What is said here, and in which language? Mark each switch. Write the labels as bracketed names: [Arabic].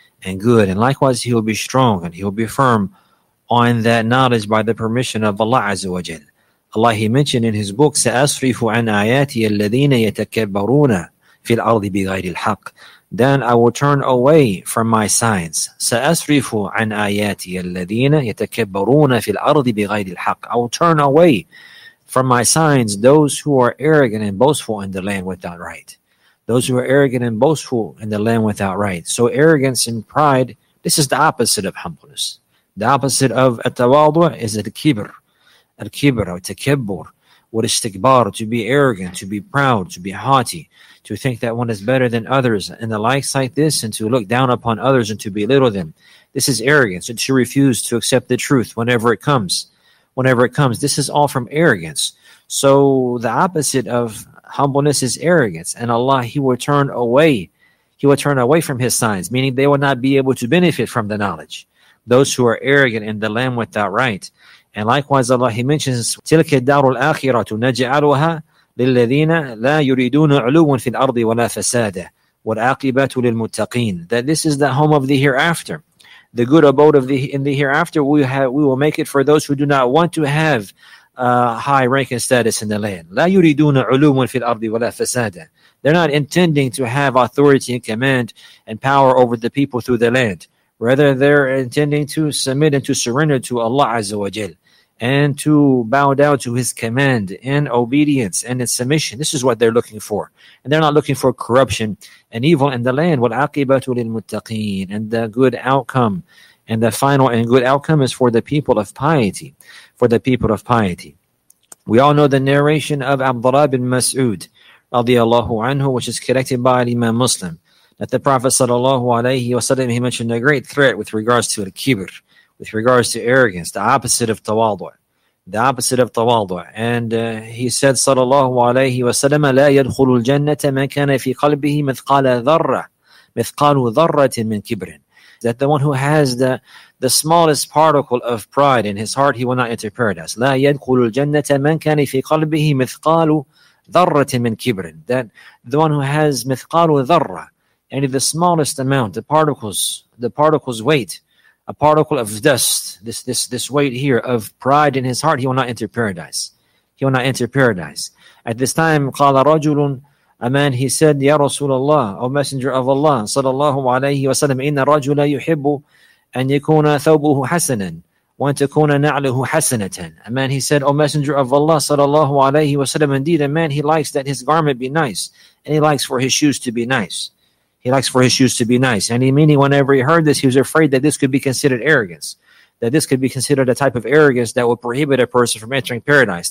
[English] And likewise, he will be strong and he will be firm on that knowledge by the permission of Allah Azza wa Jal. Allah, he mentioned in his book, [Arabic] سَأَصْرِفُ عَنْ آيَاتِيَ الَّذِينَ يَتَكَبَّرُونَ في الأرض بغير الحق. [English] Then I will turn away from my signs. [Arabic] سأصرف عن آياتي الذين يتكبرون في الأرض بغير الحق. [English] I will turn away from my signs those who are arrogant and boastful in the land without right. Those who are arrogant and boastful in the land without right. So arrogance and pride, this is the opposite of humbleness. The opposite of التواضع is الكبر. [Arabic] الكبر أو التكبر. [English] What is istikbar, to be arrogant, to be proud, to be haughty, to think that one is better than others, and the likes like this, and to look down upon others and to belittle them. This is arrogance, and to refuse to accept the truth whenever it comes. Whenever it comes, this is all from arrogance. So the opposite of humbleness is arrogance, and Allah, He will turn away. He will turn away from His signs, meaning they will not be able to benefit from the knowledge. Those who are arrogant in the land without right. And likewise, Allah, He mentions, [Arabic] تِلْكَ الدَّارُ الْآخِرَةُ نَجْعَلُهَا لِلَّذِينَ لَا يُرِيدُونَ عُلُوًا فِي الْأَرْضِ وَلَا فَسَادَ وَالْعَاقِبَةُ لِلْمُتَّقِينَ. [English] That this is the home of the hereafter. The good abode of the in the hereafter, we will make it for those who do not want to have high rank and status in the land. [Arabic] لَا يُرِيدُونَ عُلُوًا فِي الْأَرْضِ وَلَا فَسَادَ. [English] They're not intending to have authority and command and power over the people through the land. Rather, they're intending to submit and to surrender to Allah Azza wa Jal and to bow down to His command in obedience and in submission. This is what they're looking for. And they're not looking for corruption and evil in the land. [Arabic] وَالْعَقِبَةُ لِلْمُتَّقِينَ. [English] And the good outcome and the final and good outcome is for the people of piety. For the people of piety. We all know the narration of Abdullah bin Mas'ud radiallahu anhu, which is collected by Imam Muslim. That the Prophet sallallahu alayhi wa sallam, he mentioned a great threat with regards to al-kibr, with regards to arrogance, the opposite of tawadu', the opposite of tawadu'. And he said sallallahu alayhi wa sallam, [Arabic] لا يدخل الجنة من كان في قلبه مثقال ذرة مثقال ذرة من كبر. [English] That the one who has the smallest particle of pride in his heart, he will not enter paradise. [Arabic] لا يدخل الجنة من كان في قلبه مثقال ذرة من كبر. [English] That the one who has [Arabic] مثقال ذرة, [English] and the smallest amount, the particle's weight, a particle of dust, this weight here of pride in his heart, he will not enter paradise. He will not enter paradise. At this time, [Arabic] قَالَ رَجُلٌ, [English] a man, he said, [Arabic] يَا رَسُولَ اللَّهِ, [English] O Messenger of Allah, [Arabic] صلى الله عليه وسلم, إِنَّ رَجُلَ يُحِبُّ أَنْ يَكُونَ ثَوْبُهُ حَسَنًا وَأَنْ تَكُونَ نَعْلُهُ حَسَنَةً. [English] A man, he said, O Messenger of Allah, [Arabic] صلى الله عليه وسلم, [English] indeed, a man, he likes that his garment be nice, and he likes for his shoes to be nice. He likes for his shoes to be nice. And he meaning whenever he heard this, he was afraid that this could be considered arrogance. That this could be considered a type of arrogance that would prohibit a person from entering paradise.